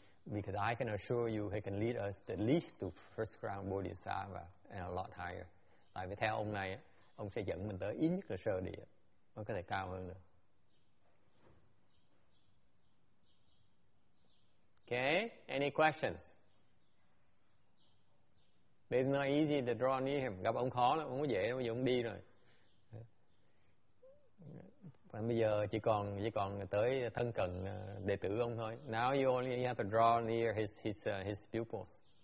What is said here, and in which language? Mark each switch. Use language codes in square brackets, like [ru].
[en] Because I can assure you, he can lead us at least to first ground Bodhisattva and a lot higher. [vi] Tại vì theo ông này, ông sẽ dẫn mình tới ít nhất là sơ địa, nó có thể cao hơn nữa. [en] Okay, any questions? But it's not easy to draw near him. [vi] Gặp ông khó lắm, không có dễ đâu, giờ ông đi rồi. Và bây giờ chỉ còn tới thân cận đệ tử ông thôi. [en] Now you only have to draw near his pupils.